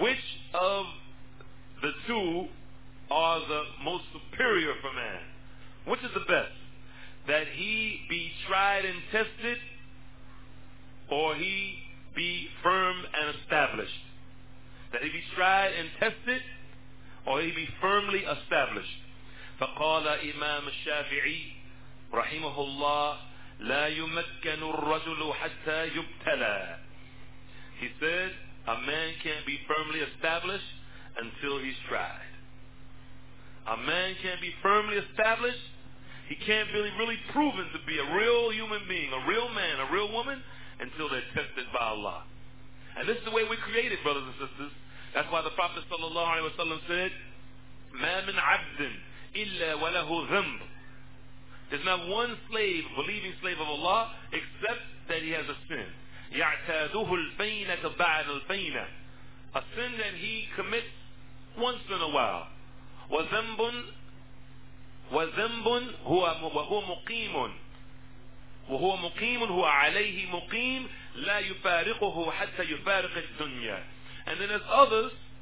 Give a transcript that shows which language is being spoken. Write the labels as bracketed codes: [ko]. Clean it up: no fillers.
[en] Which of the two are the most superior for man? Which is the best? That he be tried and tested, or he be firm and established? That he be tried and tested, or he be firmly established? [ar] فقال إمام الشافعي رحمه الله لا يمكن الرجل حتى يبتلى. [en] He said, a man can't be firmly established until he's tried. A man can't be firmly established. He can't be really proven to be a real human being, a real man, a real woman, until they're tested by Allah. And this is the way we're created, brothers and sisters. That's why the Prophet sallallahu alaihi wasallam said, [ar] ما من عبد إلا وله ذنب. [en] There's not one slave, believing slave of Allah, except that he has a sin. [ar] يعتادوه الفينة بعد الفينة. [en] A sin that he commits once in a while. [ar] وَذَنْبٌ وَهُوَ مُقِيمٌ هُوَ عَلَيْهِ مُقِيمٌ لَا يُفَارِقُهُ حَتَّى يُفَارِقِ الدُّنْيَا. [en] And then there's others